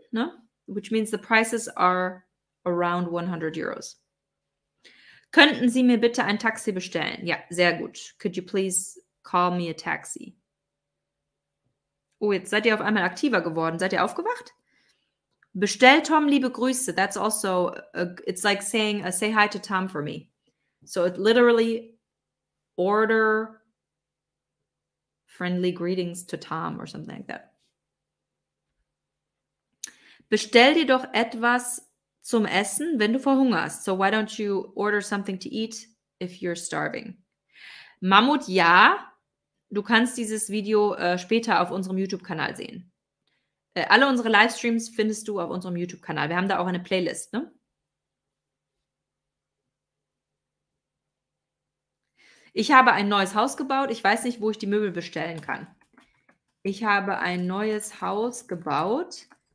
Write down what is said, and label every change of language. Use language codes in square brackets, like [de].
[en] Ne? Which means the prices are around 100 Euros. [de] Könnten Sie mir bitte ein Taxi bestellen? Ja, sehr gut. [en] Could you please call me a taxi? [de] Oh, jetzt seid ihr auf einmal aktiver geworden. Seid ihr aufgewacht? Bestell Tom liebe Grüße. [en] That's also, it's like saying, say hi to Tom for me. So it literally, order friendly greetings to Tom or something like that. [de] Bestell dir doch etwas zum Essen, wenn du verhungerst. [en] So why don't you order something to eat if you're starving? [de] Mammut, ja. Du kannst dieses Video später auf unserem YouTube-Kanal sehen. Alle unsere Livestreams findest du auf unserem YouTube-Kanal. Wir haben da auch eine Playlist, ne? Ich habe ein neues Haus gebaut. Ich weiß nicht, wo ich die Möbel bestellen kann. Ich habe ein neues Haus gebaut.